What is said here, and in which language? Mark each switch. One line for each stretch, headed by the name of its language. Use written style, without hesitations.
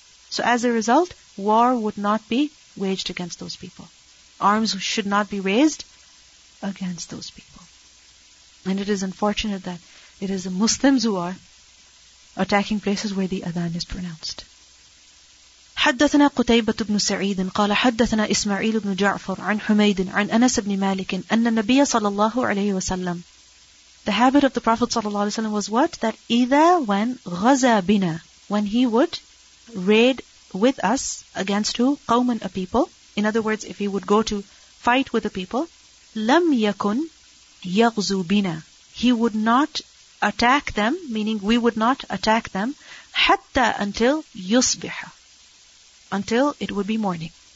English: So as a result, war would not be waged against those people. Arms should not be raised against those people. And it is unfortunate that it is the Muslims who are attacking places where the adhan is pronounced.
Arabic: حدثنا قتيبة بن سعيد قال حدثنا إسماعيل بن جعفر عن حميد عن أنس بن مالك أن النبي صلى الله عليه وسلم.
English: The habit of the Prophet صلى الله عليه وسلم was what? That
Arabic: إذا
English: when
Arabic: غزا بنا,
English: when he would raid with us against who?
Arabic: قوماً,
English: a people. In other words, if he would go to fight with a people,
Arabic: لم يكن يغزو بنا.
English: He would not attack them, meaning we would not attack them,
Arabic: حتى
English: until
Arabic: يصبح,
English: until it would be morning.